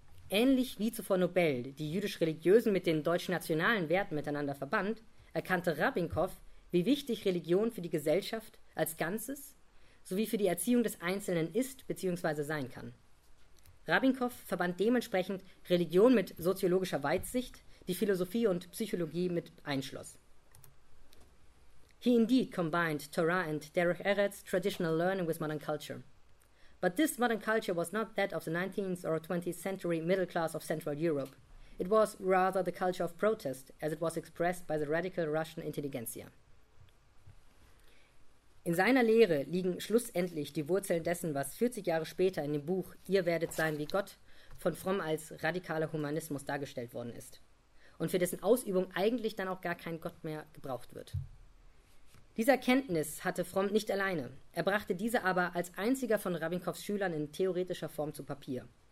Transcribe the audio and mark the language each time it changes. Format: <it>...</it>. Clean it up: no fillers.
<de>Ähnlich wie zuvor Nobel die jüdisch-religiösen mit den deutsch-nationalen Werten miteinander verband, erkannte Rabinkow, wie wichtig Religion für die Gesellschaft als Ganzes sowie für die Erziehung des Einzelnen ist bzw. sein kann. Rabinkow verband dementsprechend Religion mit soziologischer Weitsicht, die Philosophie und Psychologie mit einschloss.</de> <en>He indeed combined Torah and Derech Eretz traditional learning with modern culture. But this modern culture was not that of the 19th or 20th century middle class of Central Europe. It was rather the culture of protest, as it was expressed by the radical Russian intelligentsia.</en> <de>In seiner Lehre liegen schlussendlich die Wurzeln dessen, was 40 Jahre später in dem Buch »Ihr werdet sein wie Gott« von Fromm als radikaler Humanismus dargestellt worden ist und für dessen Ausübung eigentlich dann auch gar kein Gott mehr gebraucht wird. Diese Erkenntnis hatte Fromm nicht alleine. Er brachte diese aber als einziger von Rabinkows Schülern in theoretischer Form zu Papier.</de>